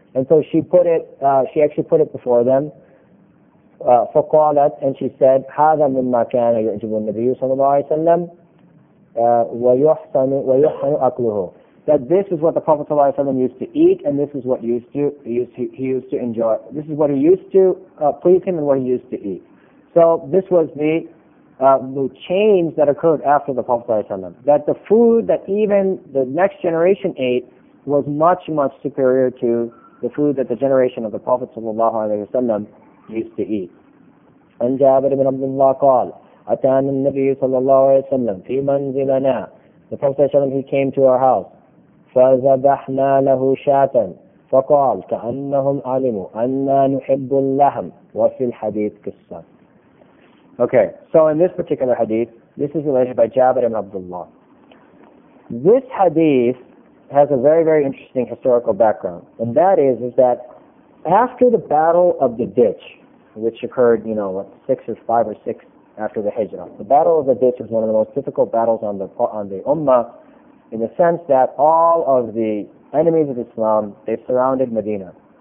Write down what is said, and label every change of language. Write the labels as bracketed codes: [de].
[en] And so she actually put it before them. [ar] فَقَالَتْ. [en] And she said, [ar] هَذَا مِمَّا كَانَ يُعْجِبُ النَّبِيُّ صلى الله عليه وسلم وَيُحْسَنُ أَكْلُهُ. [en] That this is what the Prophet صلى الله عليه وسلم used to eat, and this is what he used to enjoy. This is what he used to please him, and what he used to eat. So this was the change that occurred after the Prophet ﷺ. That the food that even the next generation ate was much, much superior to the food that the generation of the Prophet ﷺ used to eat. [ar] عن جابر بن عبد الله قال أتانا النبي صلى الله عليه وسلم في منزلنا [en] The Prophet said, he came to our house. [ar] فذبحنا له شاة فقال كأنهم علموا أننا نحب اللحم وفي الحديث قصة. [en] Okay, so in this particular hadith, this is related by Jabir ibn Abdullah. This hadith has a very, very interesting historical background. And that is that after the Battle of the Ditch, which occurred, you know, what, five or six after the Hijrah, the Battle of the Ditch was one of the most difficult battles on the Ummah, in the sense that all of the enemies of Islam, they surrounded Medina.